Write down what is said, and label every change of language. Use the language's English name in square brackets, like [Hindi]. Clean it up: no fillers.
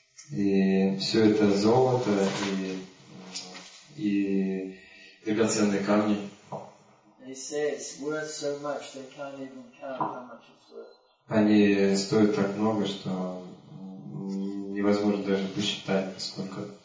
[Russian] И все это золото и драгоценные камни. [English] They say it's worth so much they can't even count how much it's worth. [Russian] Они стоят так много, что невозможно даже посчитать, сколько